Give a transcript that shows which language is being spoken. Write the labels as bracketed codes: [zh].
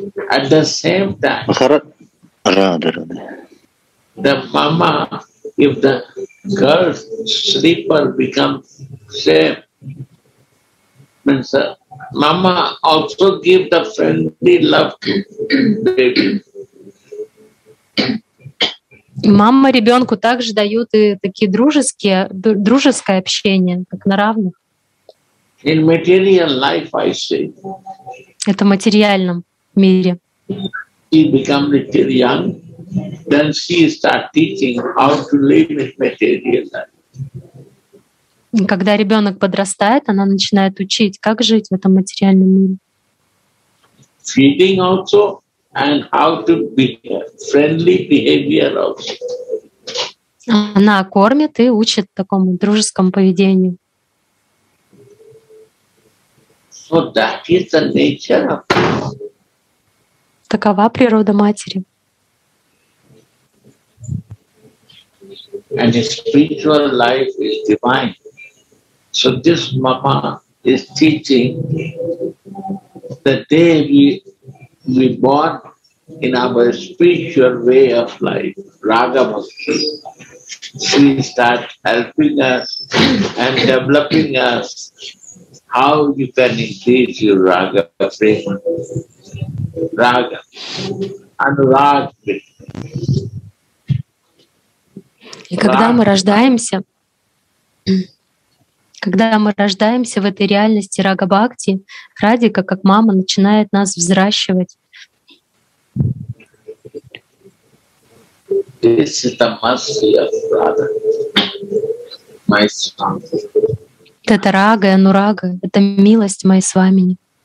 [en] At the same time, the mama, if the girl's sleeper becomes same, means the mama also give the friendly love to baby. [ru] Мама ребенку также дают и такие дружеские, дружеское общение, как на равных. [en] In material life, I say. [ru] Это в материальном мире. [en] She become little young, then she start teaching how to live with material life. [ru] Когда ребенок подрастает, она начинает учить, как жить в этом материальном мире. [en] Feeding also and how to be friendly behavior also. [ru] Она кормит и учит такому дружескому поведению. [en] So that is the nature of mother. [ru] Такова природа матери. [en] And the spiritual life is divine. So this mama is teaching the day we born in our spiritual way of life, Raga Bhakti. She starts helping us and developing us. How you can increase your raga prema, raga, anurag prema. [ru] И когда мы рождаемся, в этой реальности рага бхакти, Радика, как мама, начинает нас взращивать. [en] This is the mercy of Radha, my son. [ru] Это рага, анурага, это милость моя с вами.